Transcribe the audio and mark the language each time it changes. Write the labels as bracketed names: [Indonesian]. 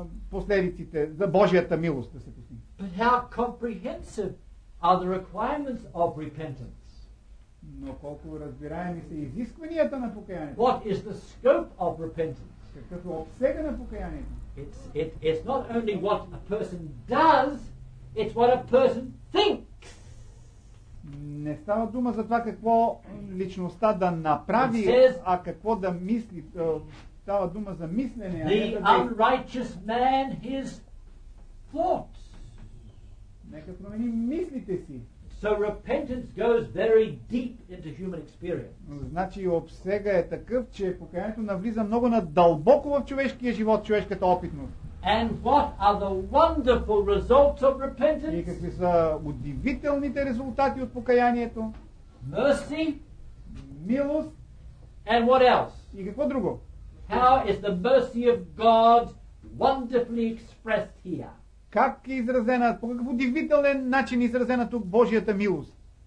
[Bulgarian] последиците за Божията милост да се постигне. [English] But how comprehensive are the requirements of repentance? [Bulgarian] Но колко разбираеми са изискванията на покаянието? [English] What is the scope of repentance? [Bulgarian] Какъв е обсегът на покаянието? [English] It's not only what a person does, it's what a person thinks. [Bulgarian] Не става дума за това какво личността да направи, а какво да мисли. Става дума за мислене, а не за действие. [English] The unrighteous man, his thoughts. [Bulgarian] Нека промени мислите си. [English] So repentance goes very deep into human experience. [Bulgarian] Значи обсега е такъв, че покаянието навлиза много надълбоко в човешкия живот, човешката опитност. [English] And what are the wonderful results of repentance? [Bulgarian] И какви са удивителните резултати от покаянието? [English] Mercy. [Bulgarian] Милост. [English] And what else? [Bulgarian] И какво друго? [English] How is the mercy of God wonderfully expressed here? [Bulgarian] Как е изразена, по какъв удивителен начин е изразена тук Божията милост?